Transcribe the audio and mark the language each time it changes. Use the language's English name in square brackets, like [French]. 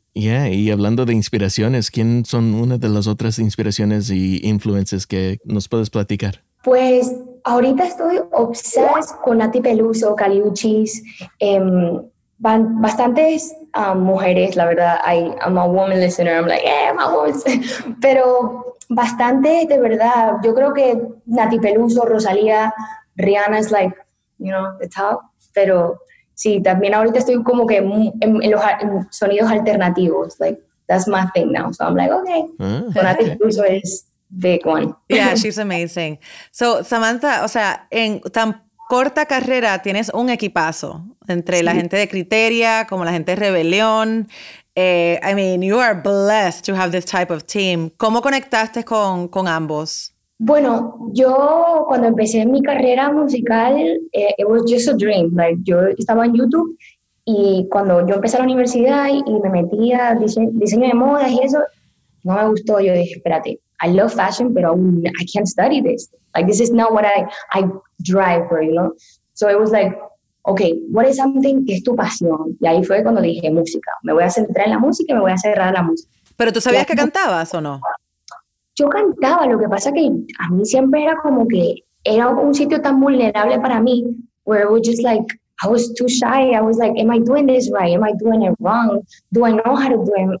[Spanish] Yeah, y hablando de inspiraciones, ¿quién son una de las otras inspiraciones y influencias que nos puedes platicar? Pues ahorita estoy obsessed con Nati Peluso, Kali Uchis, bastantes mujeres, la verdad. [English] I'm a woman listener, I'm like, I'm a woman. [Spanish] Pero bastantes, de verdad, yo creo que Nati Peluso, Rosalía, Rihanna es [English] like, you know, the top, [Spanish] pero... sí, también ahorita estoy como que en los sonidos alternativos. [English] Like, that's my thing now. So I'm like, okay. Sonata [Spanish] incluso es [English] big one. Yeah, she's amazing. [Spanish] So, Samantha, o sea, en tan corta carrera tienes un equipazo entre la gente de Criteria, como la gente de Rebelión. [English] I mean, you are blessed to have this type of team. [Spanish] ¿Cómo conectaste con ambos? Bueno, yo cuando empecé mi carrera musical, [English] it was just a dream. [Spanish] Like, yo estaba en YouTube y cuando yo empecé la universidad y me metí a diseño de modas y eso, no me gustó. Yo dije, espérate, [English] I love fashion, but I can't study this. Like, this is not what I drive for, you know? So it was like, okay, what is something [Spanish] que es tu pasión? Y ahí fue cuando dije, música. Me voy a centrar en la música y me voy a cerrar la música. ¿Pero tú sabías que cantabas o no? Yo cantaba, lo que pasa que a mí siempre era como que era un sitio tan vulnerable para mí, [English] where it was just like, I was too shy. I was like, am I doing this right? Am I doing it wrong? Do I know how to do it?